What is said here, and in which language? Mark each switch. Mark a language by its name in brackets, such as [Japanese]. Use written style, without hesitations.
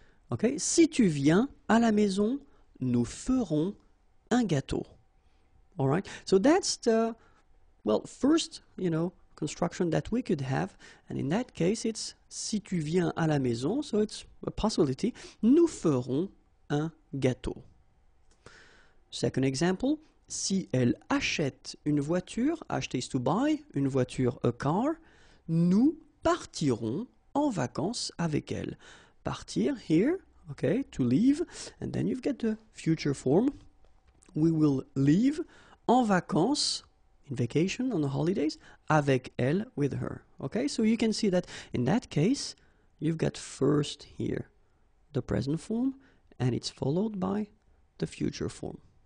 [French] Okay, si tu viens à la maison, nous ferons un gâteau. [English] Alright, so that's the, well, first, you know, construction that we could have, and in that case, it's [French] si tu viens à la maison, [English] so it's a possibility, [French] nous ferons un gâteau. [English] Second example, [French] si elle achète une voiture, [English] acheter is to buy, une voiture, a car, [French] nous partirons en vacances avec elle. [English] Partir, here, okay, to leave, and then you've got the future form, we will leave [French] en vacances, [English] in vacation, on the holidays, [French] avec elle, [English] with her. Okay, so you can see that in that case, you've got first here the present form, and it's followed by the future form.